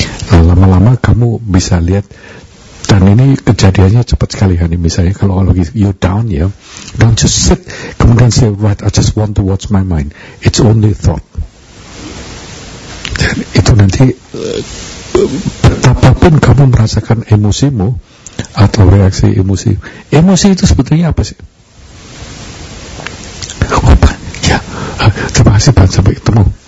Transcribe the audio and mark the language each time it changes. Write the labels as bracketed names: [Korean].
[Indonesian] Nah, lama-lama kamu bisa lihat, dan ini kejadiannya cepat sekali. [English] Hani, [Indonesian] misalnya kalau [English] you down [Indonesian] ya, [English] don't just sit [Indonesian] kemudian [English] say, right, I just want to watch my mind, it's only thought. [Indonesian] Dan itu nanti betapapun kamu merasakan emosimu atau reaksi emosi, emosi itu sebetulnya apa sih? Apa? Ya, terima kasih Pak, sampai ketemu.